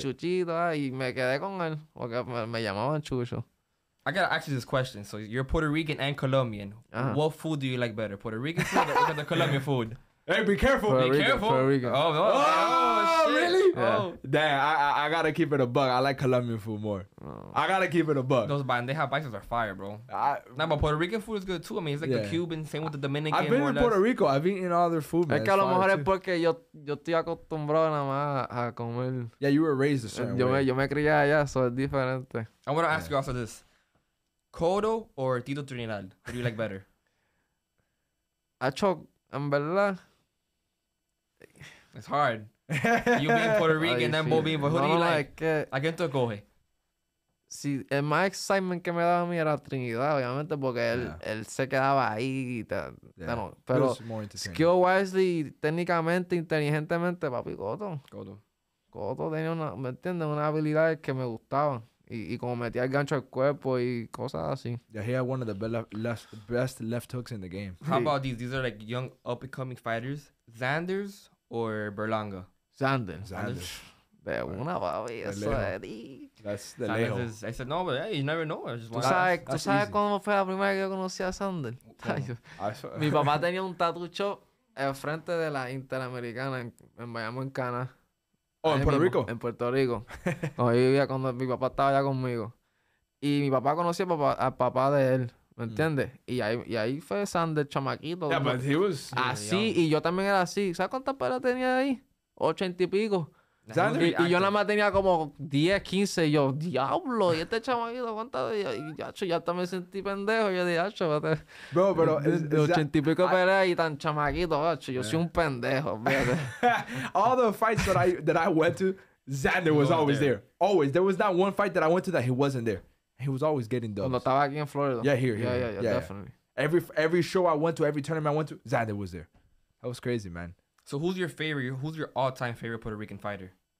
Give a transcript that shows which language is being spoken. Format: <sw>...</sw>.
<es>Chuchito, y me quedé con él, porque me llamaban Chucho.</es> <en>I gotta ask you this question. So you're Puerto Rican and Colombian. Uh-huh. What food do you like better, Puerto Rican food or the Colombian food? Hey, be careful. Puerto Rican. Oh, really? Yeah. Oh. Damn, I gotta keep it a buck. I like Colombian food more. Oh. I gotta keep it a buck. Those bandeja paisas are fire, bro. Nah, but Puerto Rican food is good too. I mean, it's like the Cuban, same with the Dominican. I've been in Puerto Rico. I've eaten all their food, man.</en> <es>Es que a lo mejor es porque yo estoy acostumbrado nada más a comer.</es> <en>Yeah, you were raised a certain way.</en> <es>Yo me crié allá, so es diferente.</es> <en>I wanna ask you also this. Codo or Tito Trinidad? What do you like better?</en> <es>Acho, en verdad.</es> <en>It's hard. You being Puerto Rican, ay, then sí. Bo being, but who no, do you like?</en> <es>Es que, ¿a quién te coge? Si, el más excitement que me daba a mí era Trinidad, obviamente, porque él se quedaba ahí. No, pero skill-wise, técnicamente, inteligentemente, papi, Codo. Codo tenía una, ¿me entiendes? Una habilidad que me gustaba. Y como metía el gancho al cuerpo y cosas así.</es> <en>Yeah, he had one of the best left hooks in the game. How about these? These are like young up-and-coming fighters. Xanders or Berlanga?</en> <es>Xander. De una, baby. Eso es de lejos.</es> <en>I said, no, but hey, you never know. I just</en> <es>¿Tú sabes cuándo fue la primera vez que yo conocí a Xander? Mi papá tenía un tattoo shop en frente de la Interamericana en Miami, en Cana. Oh, en Puerto Rico. En Puerto Rico. Ahí vivía cuando mi papá estaba allá conmigo. Y mi papá conocía al papá de él, ¿me entiendes? Y ahí fue Xander, chamaquito.</es> <en>Yeah, but he was...</en> <es>Así, y yo también era así. ¿Sabes cuántas peleas tenía ahí? 80 y pico. Xander, y yo nada más tenía como 10, 15. Y yo, diablo, ¿y este chamaquito cuántas? Y yo hasta me sentí pendejo. Yo dije, acho, espérate. Bro, pero... De 80 y pico peleas y tan chamaquito, acho. Yo soy un pendejo, espérate.</es> <en>All the fights that I went to, Xander was always there. Always. There was not one fight that I went to that he wasn't there. He was always getting dubs.</en> <es>Cuando estaba aquí en Florida.</es> <en>Yeah, here. Yeah, yeah, yeah, yeah, definitely. Every show I went to, every tournament I went to, Xander was there. That was crazy, man. So who's your favorite? Who's your all-time favorite Puerto Rican fighter?</en>